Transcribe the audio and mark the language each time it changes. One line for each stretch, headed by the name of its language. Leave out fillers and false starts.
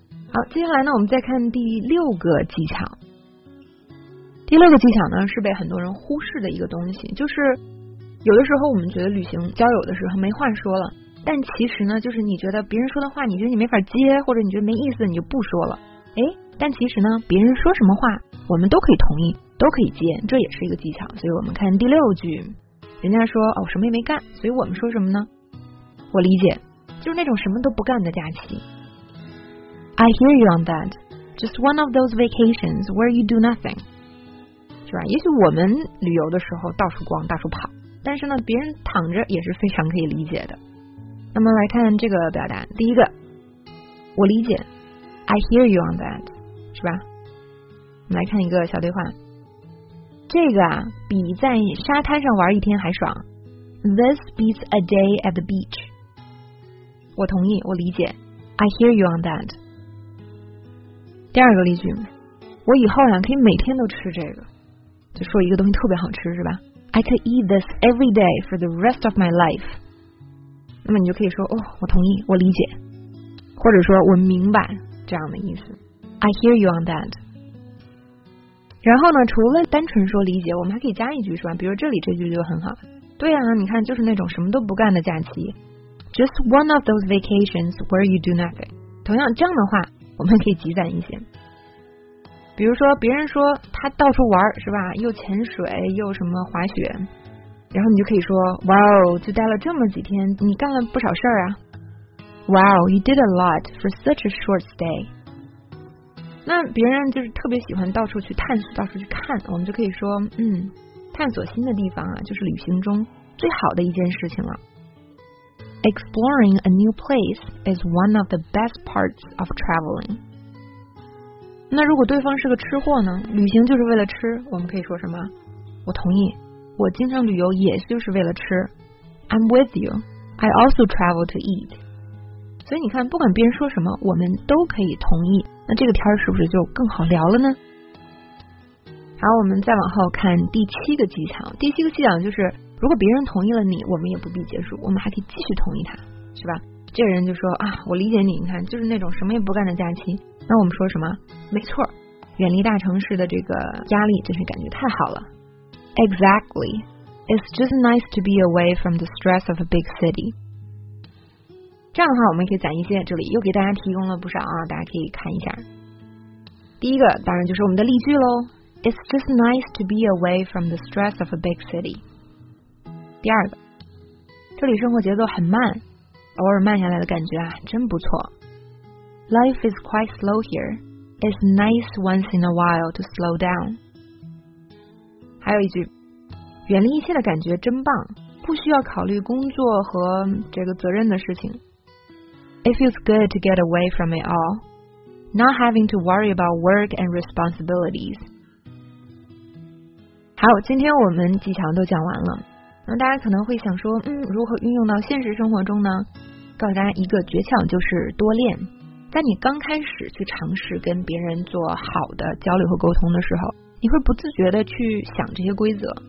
Chinese: 好，接下来呢我们再看第六个技巧。第六个技巧呢是被很多人忽视的一个东西，就是有的时候我们觉得旅行交友的时候没话说了，但其实呢就是你觉得别人说的话你觉得你没法接，或者你觉得没意思你就不说了。哎，但其实呢别人说什么话我们都可以同意，都可以接，这也是一个技巧。所以我们看第六句，人家说哦什么也没干，所以我们说什么呢？我理解，就是那种什么都不干的假期。
English: I hear you on that. Just one of those vacations where you do nothing.
Chinese: 是吧？也许我们旅游的时候到处逛到处跑，但是呢别人躺着也是非常可以理解的。那么来看这个表达，第一个，我理解，
English: I hear you on that，
Chinese: 是吧？我们来看一个小对话，这个啊比在沙滩上玩一天还爽。
English: This beats a day at the beach。
Chinese: 我同意，我理解，
English: I hear you on that。
Chinese: 第二个例句，我以后啊可以每天都吃这个，就说一个东西特别好吃，是吧？
English: I could eat this every day for the rest of my life。
Chinese: 那么你就可以说哦，我同意，我理解，或者说我明白这样的意思，
English: I hear you on that。
Chinese: 然后呢除了单纯说理解，我们还可以加一句，是吧？比如这里这句就很好，对啊，你看就是那种什么都不干的假期，
English: Just one of those vacations where you do nothing。
Chinese: 同样这样的话我们可以积攒一些，比如说别人说他到处玩，是吧？又潜水又什么滑雪，然后你就可以说 Wow， 就待了这么几天，你干了不少事儿啊。
English: Wow， you did a lot for such a short stay。
Chinese: 那别人就是特别喜欢到处去探索到处去看，我们就可以说嗯，探索新的地方啊就是旅行中最好的一件事情了。
English: Exploring a new place is one of the best parts of traveling。
Chinese: 那如果对方是个吃货呢，旅行就是为了吃，我们可以说什么？我同意，我经常旅游也就是为了吃。
English: I'm with you, I also travel to eat。
Chinese: 所以你看不管别人说什么我们都可以同意，那这个天是不是就更好聊了呢？好，我们再往后看第七个技巧。第七个技巧就是如果别人同意了你，我们也不必结束，我们还可以继续同意他，是吧？这个人就说啊，我理解你，你看就是那种什么也不干的假期。那我们说什么？没错，远离大城市的这个压力真是感觉太好了。
English: Exactly, it's just nice to be away from the stress of a big city。
Chinese: 这样的话我们可以攒一些，这里又给大家提供了不少啊，大家可以看一下。第一个当然就是我们的例句咯，
English: It's just nice to be away from the stress of a big city。
Chinese: 第二个，这里生活节奏很慢，偶尔慢下来的感觉啊真不错。
English: Life is quite slow here, it's nice once in a while to slow down。
Chinese: 还有一句，远离一切的感觉真棒，不需要考虑工作和这个责任的事情。
English: It feels good to get away from it all, not having to worry about work and responsibilities。
Chinese: 好，今天我们技巧都讲完了。那大家可能会想说嗯，如何运用到现实生活中呢？告诉大家一个诀窍，就是多练。在你刚开始去尝试跟别人做好的交流和沟通的时候，你会不自觉地去想这些规则。